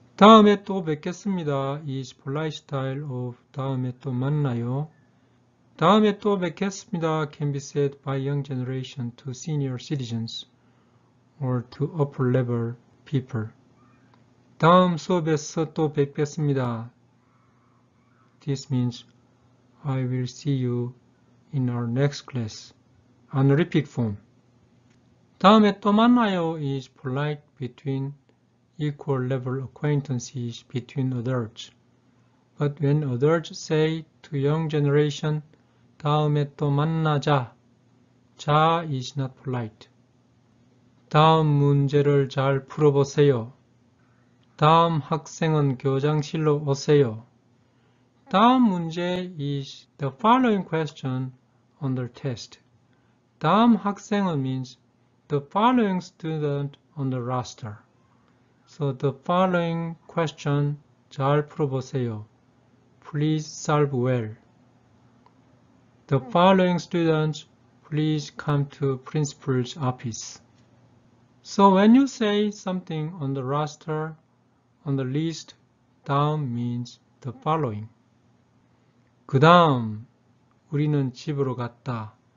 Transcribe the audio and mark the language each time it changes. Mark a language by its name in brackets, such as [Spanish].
[Korean] 다음에 또 뵙겠습니다. [English] Is polite style of [Korean] 다음에 또 만나요. 다음에 또 뵙겠습니다. [English] Can be said by young generation to senior citizens or to upper level people. [Korean] 다음 수업에서 또 뵙겠습니다. [English] This means I will see you in our next class. On repeat form. [Korean] 다음에 또 만나요 [English] is polite between equal level acquaintances between adults. But when adults say to young generation, [Korean] 다음에 또 만나자. [English] 자 is not polite. [Korean] 다음 문제를 잘 풀어보세요. 다음 학생은 교장실로 오세요. 다음 문제 [English] is the following question on the test. [Korean] 다음 학생은 [English] means the following student on the roster. So the following question [Korean] 잘 풀어보세요. [English] Please solve well. The following student, please come to principal's office. So when you say something on the roster, on the list, 다음 means the following. [Korean] 그 다음 우리는 집으로 갔다.